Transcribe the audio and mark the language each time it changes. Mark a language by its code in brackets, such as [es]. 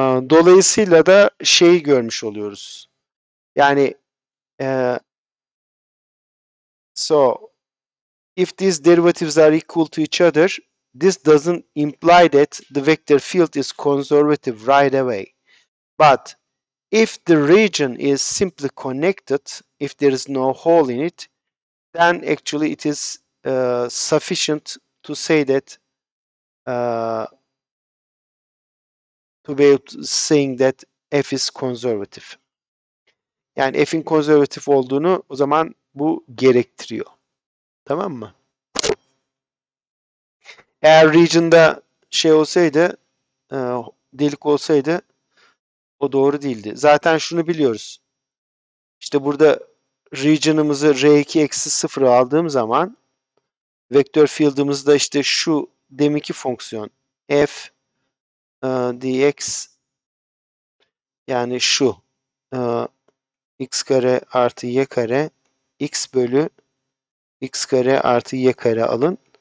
[tr] Dolayısıyla da şeyi görmüş oluyoruz. [en] Yani so if these derivatives are equal to each other, this doesn't imply that the vector field is conservative right away. But if the region is simply connected, if there is no hole in it, then actually it is sufficient to say that to be saying that f is conservative. [tr] Yani f'in konservatif olduğunu o zaman bu gerektiriyor. Tamam mı? Eğer region'da şey olsaydı, delik olsaydı o doğru değildi. Zaten şunu biliyoruz. İşte burada region'ımızı r2 eksi 0 aldığım zaman vektör field'ımız da işte şu deminki fonksiyon f dx, yani şu x kare artı y kare x bölü x kare artı y kare alın.